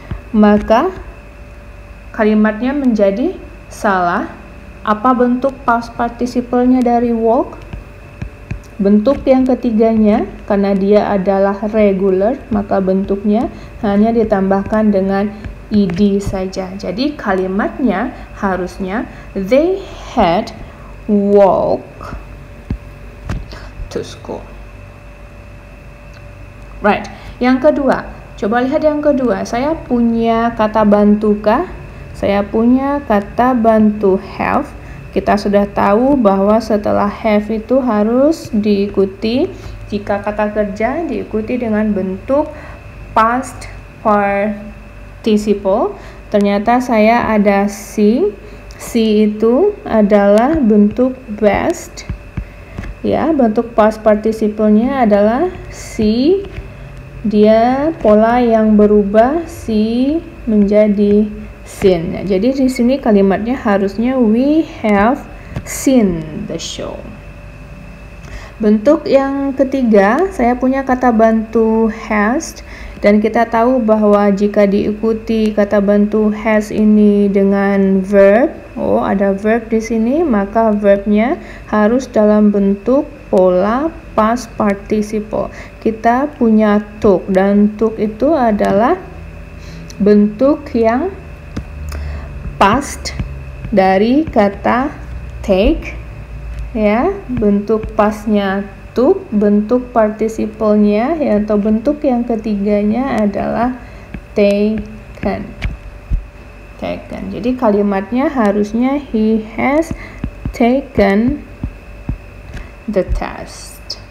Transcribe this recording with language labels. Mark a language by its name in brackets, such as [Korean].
[Indonesian] Maka kalimatnya menjadi salah. Apa bentuk past participle-nya dari walk? Bentuk yang ketiganya, karena dia adalah regular, maka bentuknya hanya ditambahkan dengan ed saja. Jadi kalimatnya harusnya [English] they had walked to school. [Indonesian] Right. Yang kedua, coba lihat yang kedua. Saya punya kata bantu kah? Saya punya kata bantu have. Kita sudah tahu bahwa setelah have itu harus diikuti, jika kata kerja diikuti dengan bentuk past participle. Ternyata saya ada see. See itu adalah bentuk best. Ya, bentuk past participle-nya adalah see. Dia pola yang berubah see menjadi seen. Jadi di sini kalimatnya harusnya [English] we have seen the show. [Indonesian] Bentuk yang ketiga, saya punya kata bantu has, dan kita tahu bahwa jika diikuti kata bantu has ini dengan verb, oh ada verb di sini, maka verbnya harus dalam bentuk pola past participle. Kita punya took, dan took itu adalah bentuk yang past dari kata take, ya, bentuk pastnya took, bentuk participle-nya ya, atau bentuk yang ketiganya adalah taken. [English] Taken. [Indonesian] Jadi kalimatnya harusnya [English] he has taken the test.